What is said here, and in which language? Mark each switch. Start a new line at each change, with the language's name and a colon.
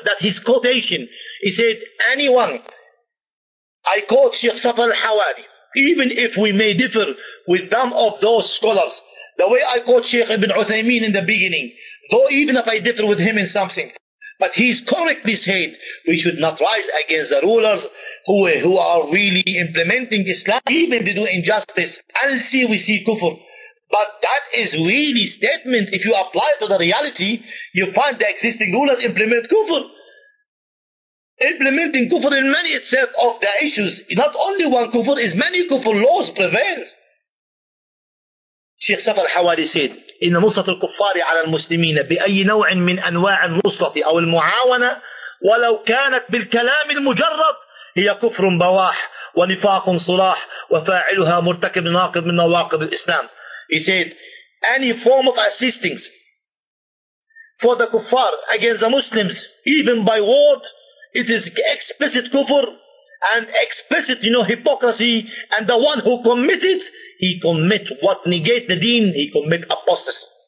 English: That his quotation. He said, anyone, I quote Sheikh Safar Al-Hawali, even if we may differ with some of those scholars, the way I quote Sheikh Ibn Uthaymeen in the beginning, though even if I differ with him in something, but he's correctly said, we should not rise against the rulers who are really implementing Islam, even if they do injustice, and see we see kufr. But that is really statement. If you apply it to the reality, you find the existing rulers implement kufr. Implementing kufr in many itself of the issues. Not only one kufr, is many kufr laws prevail. Sheikh Safar Al-Hawali said,
Arabic: إِنَّ نُصْرَةَ الْكُفَّارِ عَلَى الْمُسْلِمِينَ بِأَيِّ نَوْعٍ مِنْ أَنْوَاعِ النُّصْرَةِ أَوْ الْمُعَاوَنَةِ وَلَوْ كَانَتْ بِالْكَلَامِ الْمُجَرَّدِ هِيَ كُفْرٌ بَوَاحٌ وَنِفَاقٌ صُرَاحٌ وَفَاعِلُهَا مُرْتَكِبٌ نَاقِضٌ مِنْ نَوَاقِضِ الْإِسْلَامِ.
English: He said, any form of assistance for the kuffar against the Muslims, even by word, it is explicit kufr and explicit, you know, hypocrisy. And the one who committed, he commit what negate the deen, he commit apostasy.